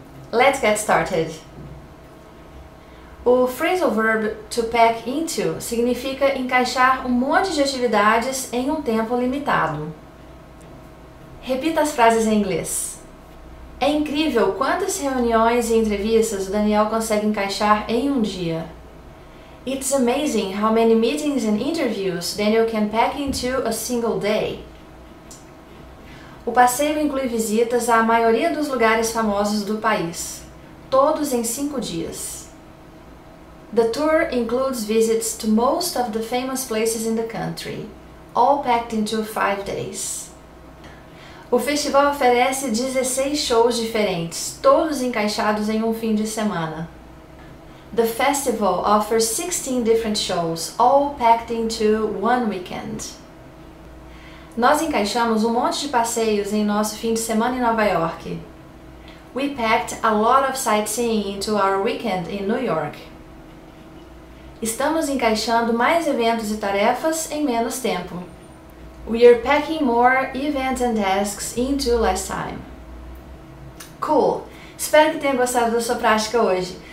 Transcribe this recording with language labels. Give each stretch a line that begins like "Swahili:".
English: Let's get started!
Portuguese: O phrasal verb to pack into significa encaixar um monte de atividades em um tempo limitado. Repita as frases em inglês. É incrível quantas reuniões e entrevistas o Daniel consegue encaixar em um dia.
English: It's amazing how many meetings and interviews Daniel can pack into a single day.
Portuguese: O passeio inclui visitas à maioria dos lugares famosos do país, todos em 5 dias.
English: The tour includes visits to most of the famous places in the country, all packed into 5 days.
Portuguese: O festival oferece 16 shows diferentes, todos encaixados em um fim de semana.
English: The festival offers 16 different shows, all packed into one weekend.
Portuguese: Nós encaixamos um monte de passeios em nosso fim de semana em Nova York.
English: We packed a lot of sightseeing into our weekend in New York.
Portuguese: Estamos encaixando mais eventos e tarefas em menos tempo.
English: We are packing more events and tasks into less time. Cool!
Portuguese: Espero que tenha gostado da sua prática hoje.